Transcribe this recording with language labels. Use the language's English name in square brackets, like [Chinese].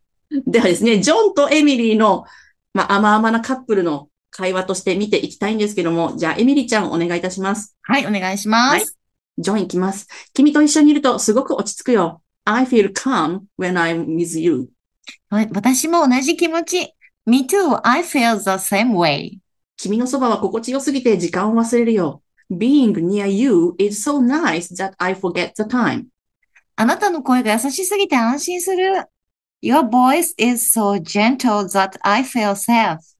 [Japanese] ではですね、ジョンとエミリーの、まあ、甘々なカップルの会話として見ていきたいんですけども、じゃあ、エミリーちゃん、お願いいたします。はい、お願いします。はい、ジョン行きます。君と一緒にいるとすごく落ち着くよ。 [English] I feel calm when I'm with you. [Japanese] 私も同じ気持ち。 [English] Me too, I feel the same way. [Japanese] 君のそばは心地よすぎて時間を忘れるよ。 [English] Being near you is so nice that I forget the time. [Japanese] あなたの声が優しすぎて安心する。 [English] Your voice is so gentle that I feel safe.